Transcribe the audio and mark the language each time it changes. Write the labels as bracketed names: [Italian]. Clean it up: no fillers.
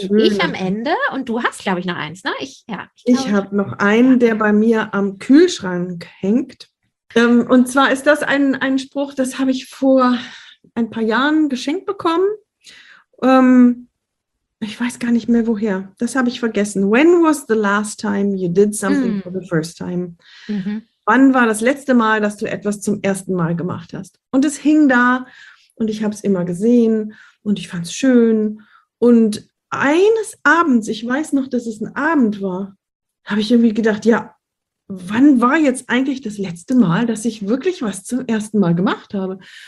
[German] Bin ich am Ende und du hast, glaube ich, noch eins, ne? Ich habe noch einen, der bei mir am Kühlschrank hängt. Und zwar ist das ein Spruch, das habe ich vor ein paar Jahren geschenkt bekommen. Ich weiß gar nicht mehr woher. Das habe ich vergessen. [English] When was the last time you did something for the first time? Mhm. [German] Wann war das letzte Mal, dass du etwas zum ersten Mal gemacht hast? Und es hing da und ich habe es immer gesehen und ich fand es schön. Und eines Abends, ich weiß noch, dass es ein Abend war, habe ich irgendwie gedacht, ja, wann war jetzt eigentlich das letzte Mal, dass ich wirklich was zum ersten Mal gemacht habe?